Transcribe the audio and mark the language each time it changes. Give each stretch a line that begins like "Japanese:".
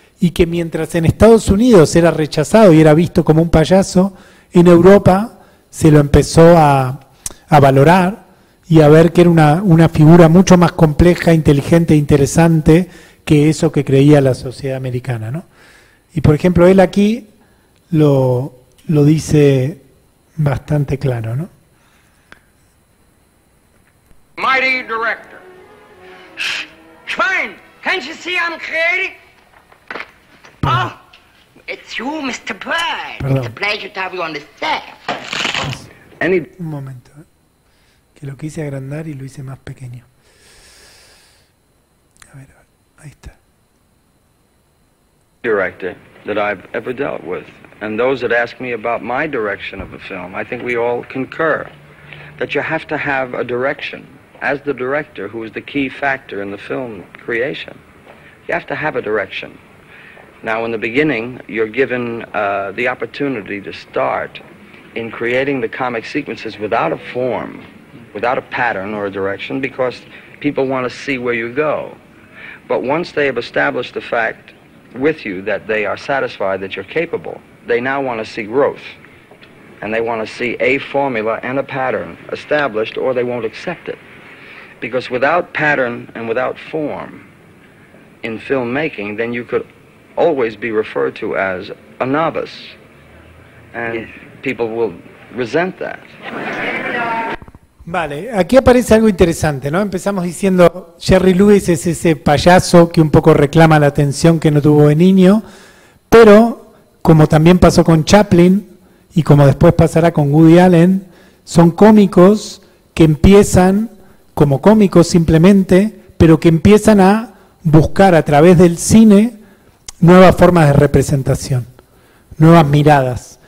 Spanish: y que mientras en Estados Unidos era rechazado y era visto como un payaso, en Europa se lo empezó a valorar y a ver que era una figura mucho más compleja, inteligente e interesante que eso que creía la sociedad americana, ¿no? Y por ejemplo, él aquí lo dice bastante claro, ¿no?
English: Mighty director. Shh, Schwein, can't you see I'm creating? Oh, it's you, Mr. Bird. Perdón. It's a pleasure to have you on the set.
Spanish: Un momento, que lo quise agrandar y lo hice más pequeño. A ver, ahí está.
English: Director that I've ever dealt with, and those that ask me about my direction of a film, I think we all concur that you have to have a direction. As the director, who is the key factor in the film creation, you have to have a direction. Now, in the beginning, you're given the opportunity to start in creating the comic sequences without a form, without a pattern or a direction, because people want to see where you go. But once they have established the fact with you that they are satisfied that you're capable, they now want to see growth, and they want to see a formula and a pattern established, or they won't accept it. Because without pattern and without form in filmmaking, then you could always be referred to as a novice. And yes. People will resent that.
Spanish: Vale, aquí aparece algo interesante, ¿no? Empezamos diciendo, Jerry Lewis es ese payaso que un poco reclama la atención que no tuvo de niño, pero como también pasó con Chaplin y como después pasará con Woody Allen, son cómicos que empiezan como cómicos simplemente, pero que empiezan a buscar a través del cine nuevas formas de representación, nuevas miradas.